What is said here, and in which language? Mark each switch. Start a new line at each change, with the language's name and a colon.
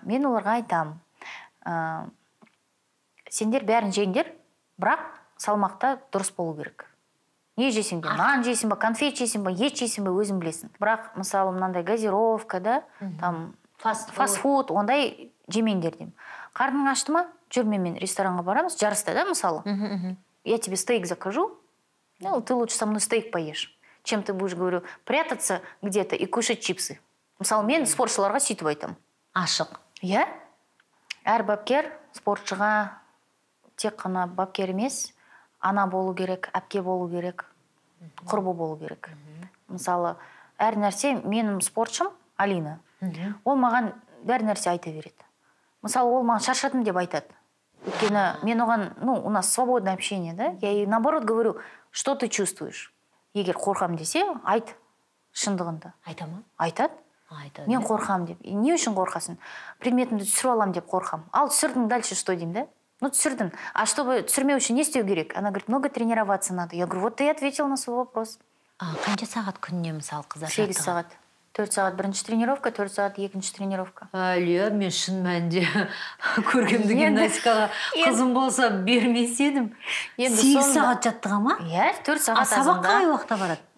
Kazakh: Қазіргі сендер бәрін жеңдер, бірақ салмақта дұрыс болу керек. Не жесіңдер? Нан жесің ба, конфет жесің ба, ет жесің ба, өзің білесің. Бірақ, мысалы, мынандай газировка, да, там, фастфуд, ондай жемеңдер деймін. Қарның ашты ма, жүрмемен ресторанға барамыз, жарыста, да, мысалы?
Russian: Я тебе стейк закажу, ну, ты лучше со мной стейк поешь, чем ты будешь, говорю, прятаться где-то и кушать чипсы.
Kazakh: Мысалы, мен спортшыларға сөйтіп айтамын. Ашық. Иә? Әр бапкер спортшыға тек қана бапкер емес, ана болу керек, әпке болу керек, құрбы болу керек. Мысалы, әр нәрсе менің спортшым Алина. Ол маған әр нәрсе айта береді. Мысалы, ол маған шаршатым деп айтады. Өйткені мен оған,
Russian: ну, у нас свободное общение, да? Я ей наоборот говорю, что ты чувствуешь?
Kazakh: Егер қорқам десе, айт шындығында. Айта ма? Айтады. Айтады. Мен қорқам деп. Не үшін қорқасын? Предметімді түсіру алам деп қорқам. Ал түсірдің
Russian: дальше что
Kazakh: деймін, да? Ну түсірдің.
Russian: А чтобы
Kazakh: түсірмеу үшін не істеу керек?
Russian: Она говорит, много тренироваться надо. Я говорю, вот ты и ответил на свой вопрос.
Kazakh: Қанша сағат күніне мысал қызар? 8 сағат. 4 сағат бірінші тренировка, 4 сағат екінші тренировка. Әлі, мен шын мәнде көргенді гимнастикаға қызым болса бермес едім. 8 сағат жаттыға ма? Иә, 4 сағат. А сабақ қай уақытта барады?